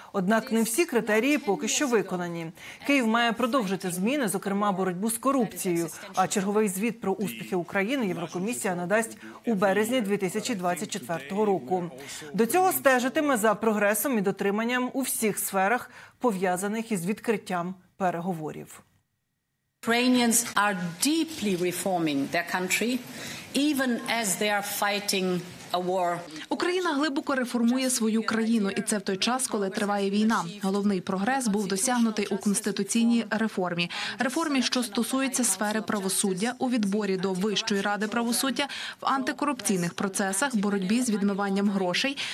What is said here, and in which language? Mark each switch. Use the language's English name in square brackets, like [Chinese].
[Ukrainian] Однак не всі критерії поки що виконані. Київ має продовжити зміни, зокрема боротьбу з корупцією. А черговий звіт про успіхи України Єврокомісія надасть у березні 2024 року. До цього стежитиме за прогресом і дотриманням у всіх сферах, пов'язаних із відкриттям переговорів. [English] Ukrainians are deeply reforming their country, even as they are fighting. [Ukrainian] Україна глибоко реформує свою країну, і це в той час, коли триває війна. Головний прогрес був досягнутий у конституційній реформі. Реформі, що стосуються сфери правосуддя, у відборі до Вищої ради правосуддя, в антикорупційних процесах, боротьбі з відмиванням грошей.